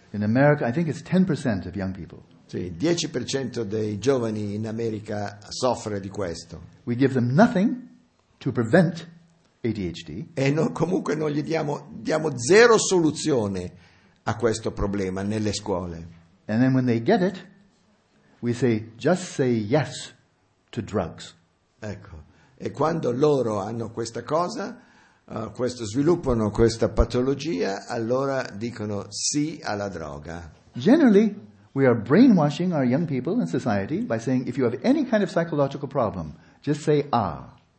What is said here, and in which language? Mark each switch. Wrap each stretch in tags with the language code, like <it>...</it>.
<en>In America, I think it's 10% of young people.</en> <it>Sì, 10% dei giovani in America soffre di questo.</it> <en>We give them nothing to prevent ADHD.</en> <it>E no, comunque non gli diamo zero soluzione a questo problema nelle scuole.</it> <en>And then when they get it, we say just say yes to drugs.</en> <it>Ecco. E quando loro hanno questa cosa, sviluppano questa patologia, allora dicono sì alla droga.</it> <en>Generally, we are brainwashing our young people in society by saying if you have any kind of psychological problem, just say ah.</en>